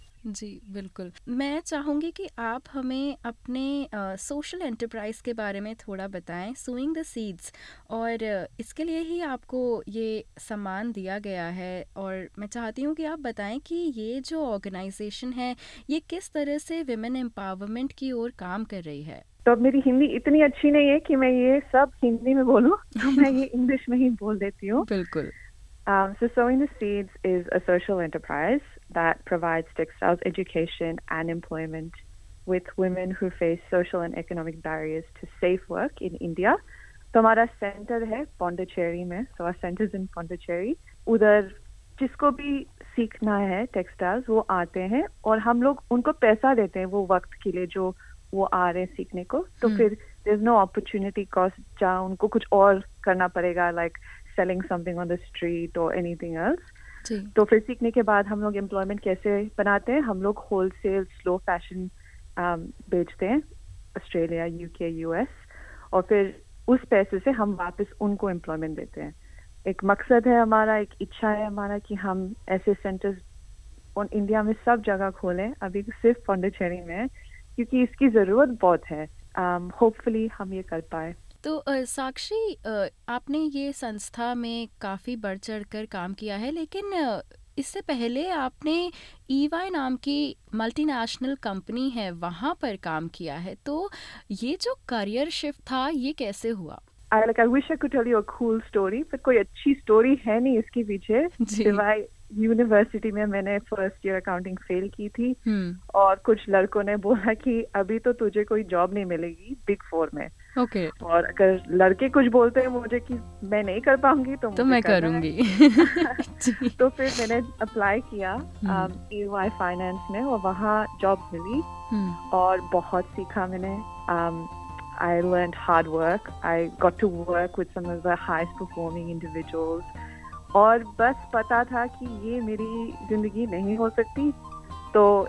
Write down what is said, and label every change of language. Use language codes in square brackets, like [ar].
[hi] जी बिल्कुल मैं चाहूंगी कि आप हमें अपने सोशल एंटरप्राइज के बारे में थोड़ा बताएं सोइंग द सीड्स और इसके लिए ही आपको ये सम्मान दिया गया है और मैं चाहती हूं कि आप बताएं कि ये जो ऑर्गेनाइजेशन है ये किस तरह से विमेन एम्पावरमेंट की ओर काम कर रही है तो मेरी हिंदी इतनी अच्छी नहीं है कि मैं ये सब हिंदी में बोलूं तो मैं ये इंग्लिश में ही बोल देती हूँ बिल्कुल [en] So Sowing the Seeds is a social enterprise that provides textiles education and employment with women who face social and economic barriers to safe work in India. So our center is in Pondicherry. So our center is in Pondicherry. [hi] उधर जिसको भी सीखना है textiles वो आते हैं और हम लोग उनको पैसा देते हैं वो वक्त के लिए जो वो आ रहे हैं सीखने को तो फिर [en] there's no opportunity cost [hi] जहाँ उनको कुछ और करना पड़ेगा [en] like selling something on the street or anything else. [hi] तो फिर सीखने के बाद हम लोग employment कैसे बनाते हैं हम लोग wholesale slow fashion बेचते हैं Australia, UK, US और फिर उस पैसे से हम वापस उनको employment देते हैं एक मकसद है हमारा एक इच्छा है हमारा कि हम ऐसे centers on India में सब जगह खोलें अभी सिर्फ Pondicherry में क्योंकि इसकी जरूरत बहुत है होपफुली हम ये कर पाए तो साक्षी आपने ये संस्था में काफी बढ़ चढ़ कर काम किया है लेकिन इससे पहले आपने EY नाम की मल्टीनेशनल कंपनी है वहाँ पर काम किया है तो ये जो करियर शिफ्ट था ये कैसे हुआ [en] I wish I could tell you a cool story, [hi] पर कोई अच्छी स्टोरी है नहीं इसके पीछे जी यूनिवर्सिटी में मैंने फर्स्ट ईयर अकाउंटिंग फेल की थी और कुछ लड़कों ने बोला कि अभी तो तुझे कोई जॉब नहीं मिलेगी बिग फोर में ओके और अगर लड़के कुछ बोलते हैं मुझे कि मैं नहीं कर पाऊंगी तो मैं करूंगी तो फिर मैंने अप्लाई किया EY फाइनेंस में और वहाँ जॉब मिली और बहुत सीखा मैंने [en] I learned hard work I got to work with some of the highest performing individuals [hi] और बस पता था कि ये मेरी जिंदगी नहीं हो सकती तो